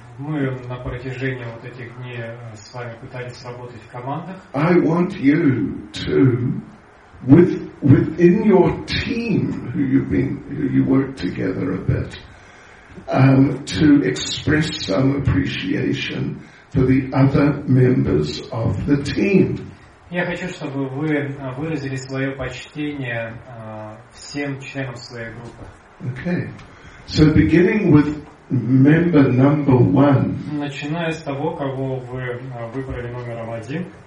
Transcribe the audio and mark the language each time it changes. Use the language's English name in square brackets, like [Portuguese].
[Russian] Мы на протяжении вот этих дней с вами пытались работать в командах. [English] I want you to, within your team, who you work together a bit, to express some appreciation for the other members of the team. [Russian] Я хочу, чтобы вы выразили свое почтение всем членам своей группы. [English] Okay. So beginning with member number one. [Russian] Начиная с того, кого вы выбрали номером один.